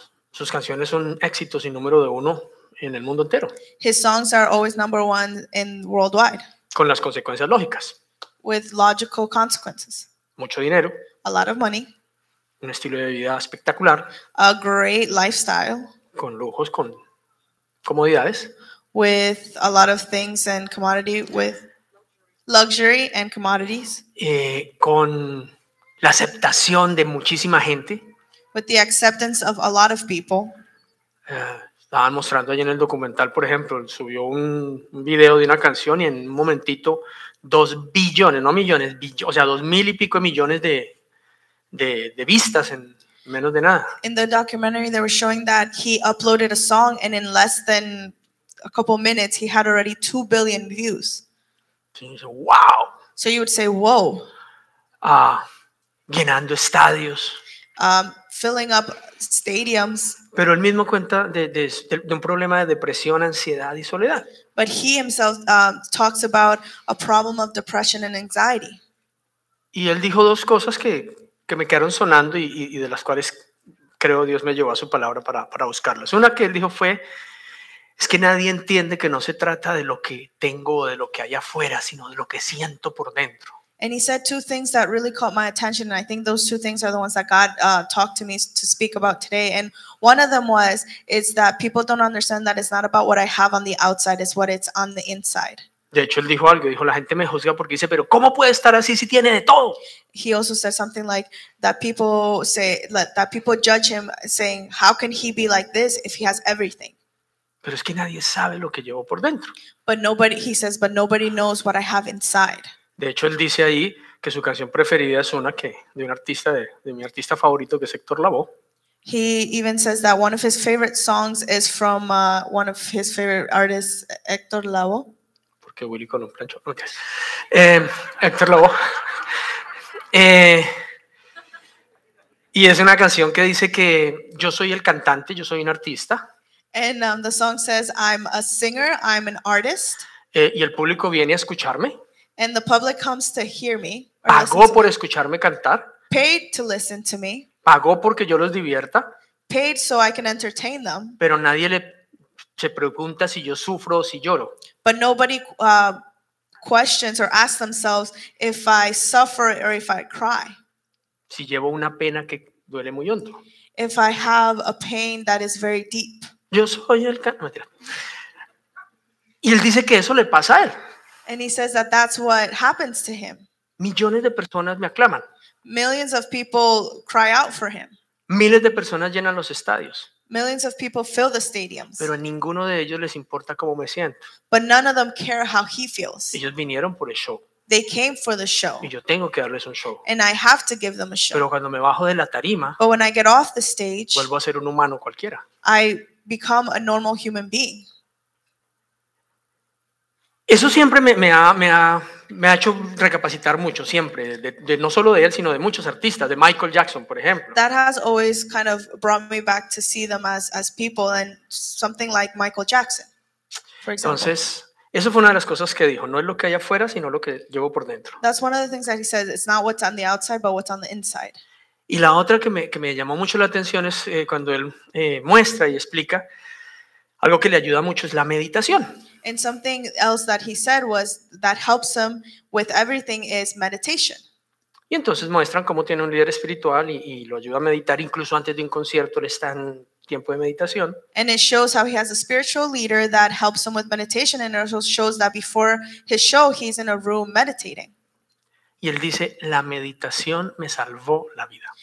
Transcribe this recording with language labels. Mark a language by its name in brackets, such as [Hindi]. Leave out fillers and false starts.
[Spanish] Sus canciones son éxitos y número de uno en el mundo entero. [English] His songs are always number one in worldwide. [Spanish] Con las consecuencias lógicas. [English] With logical consequences. [Spanish] Mucho dinero. [English] A lot of money. [Spanish] Un estilo de vida espectacular. [English] A great lifestyle. [Spanish] Con lujos, con comodidades. [English] With a lot of things and commodity, with luxury and commodities. [Spanish] Con la aceptación de muchísima gente. [English] With the acceptance of a lot of people. [Spanish] Estaban mostrando allí en el documental, por ejemplo, subió un video de una canción y en un momentito 2,000 y pico millones de vistas en menos de nada. [English] In the documentary, they were showing that he uploaded a song and in less than a couple minutes, he had already 2 billion views. [Spanish] Sí, [English] so, wow. So you would say, whoa. [Spanish] Llenando estadios. [English] Filling up stadiums. [Spanish] Pero él mismo cuenta de un problema de depresión, ansiedad y soledad. [English] But he himself talks about a problem of depression and anxiety. [Spanish] Y él dijo dos cosas que me quedaron sonando y de las cuales creo Dios me llevó a su palabra para buscarlas. Una que él dijo fue, es que nadie entiende que no se trata de lo que tengo o de lo que hay afuera, sino de lo que siento por dentro. [English] And he said two things that really caught my attention, and I think those two things are the ones that God talked to me to speak about today. And one of them was, is that people don't understand that it's not about what I have on the outside, it's what it's on the inside. [Spanish] De hecho, él dijo algo, dijo, la gente me juzga porque dice, pero ¿cómo puede estar así si tiene de todo? [English] He also said something like, that people say, that people judge him, saying, how can he be like this if he has everything? [Spanish] Pero es que nadie sabe lo que llevo por dentro. [English] But nobody, he says, but nobody knows what I have inside. [Spanish] De hecho, él dice ahí que su canción preferida es una que de un artista de mi artista favorito, que es Héctor Lavoe. [English] He even says that one of his favorite songs is from one of his favorite artists, Héctor Lavoe. [Spanish] Porque Willy con un plancho. Okay. Héctor Lavoe. Y es una canción que dice que yo soy el cantante, yo soy un artista. [English] And the song says, I'm a singer, I'm an artist. [Spanish] Y el público viene a escucharme. [English] And the public comes to hear me. [Spanish] Pagó por escucharme cantar. [English] Paid to listen to me. [Spanish] Pagó porque yo los divierta. [English] Paid so I can entertain them. [Spanish] Pero nadie se pregunta si yo sufro o si lloro. [English] But nobody questions or asks themselves if I suffer or if I cry. [Spanish] Si llevo una pena que duele muy hondo. [English] If I have a pain that is very deep. [Spanish] Yo soy el cantante. Y él dice que eso le pasa a él. [English] And he says that that's what happens to him. [Spanish] Millones de personas me aclaman. [English] Millions of people cry out for him. [Spanish] Miles de personas llenan los estadios. [English] Millions of people fill the stadiums. [Spanish] Pero a ninguno de ellos les importa cómo me siento. [English] But none of them care how he feels. [Spanish] Ellos vinieron por el show. [English] They came for the show. [Spanish] Y yo tengo que darles un show. [English] And I have to give them a show. [Spanish] Pero cuando me bajo de la tarima, [English] but when I get off the stage, [Spanish] vuelvo a ser un humano cualquiera. [English] I become a normal human being. [Spanish] Eso siempre me ha hecho recapacitar mucho, siempre, de no solo de él, sino de muchos artistas, de Michael Jackson, por ejemplo. [English] That has always kind of brought me back to see them as people and something like Michael Jackson, for example. [Spanish] Entonces, eso fue una de las cosas que dijo, no es lo que hay afuera, sino lo que llevo por dentro. [English] That's one of the things that he says, it's not what's on the outside, but what's on the inside. [Spanish] Y la otra que me llamó mucho la atención es cuando él muestra y explica algo que le ayuda mucho, es la meditación. [English] And something else that he said was that helps him with everything is meditation. [Spanish] Y entonces muestran cómo tiene un líder espiritual y lo ayuda a meditar incluso antes de un concierto, él está en tiempo de meditación. [English] And it shows how he has a spiritual leader that helps him with meditation, and it also shows that before his show he's in a room meditating. [Spanish] Y él dice, la meditación me salvó la vida.